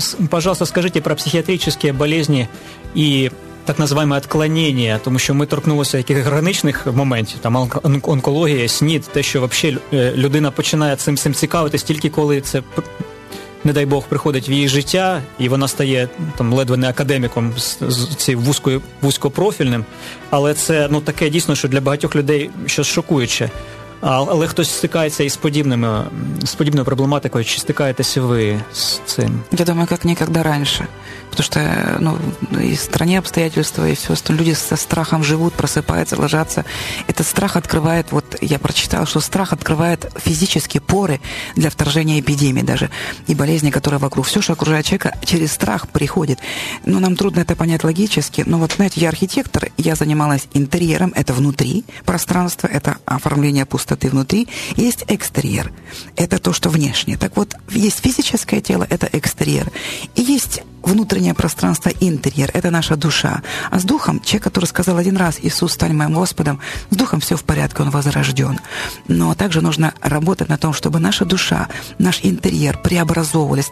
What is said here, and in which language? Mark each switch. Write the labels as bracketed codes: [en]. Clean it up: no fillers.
[ru] Пожалуйста, скажите про психиатрические болезни и так называемые отклонения, потому что мы торкнулися каких-то граничных моментов, там онкология, СНИД, то, что вообще людина начинает [uk] цим цікавитись, тільки коли це не дай Бог, приходить в її життя, і вона стає там ледве не академіком вузькопрофільним, але це ну таке дійсно, що для багатьох людей щось шокуюче. Але хтось стикається із подібними, з подібною проблематикою, чи стикаєтеся ви з цим? Я думаю, як ніколи раніше. Тому що ну, і стані обстоятельства, і все, люди зі страхом живуть, просипаються, лежаться. І цей страх відкриває, от я прочитала, що страх відкриває фізичні пори для вторження епідемії навіть. І болезні, які вокруг. Все, що окружає чоловіка, через страх приходить. Ну, нам трудно це зрозуміти логічно. Ну, от, знаєте, я архітектор, я займалася інтер'єром, це внутрі пространство, це оформлення [ru] пустоты внутри, есть экстерьер. Это то, что внешнее. Так вот, есть физическое тело, это экстерьер. И есть внутреннее пространство, интерьер, это наша душа. А с духом, человек, который сказал один раз, Иисус, стань моим Господом, с духом все в порядке, он возрожден. Но также нужно работать на том, чтобы наша душа, наш интерьер преобразовывались.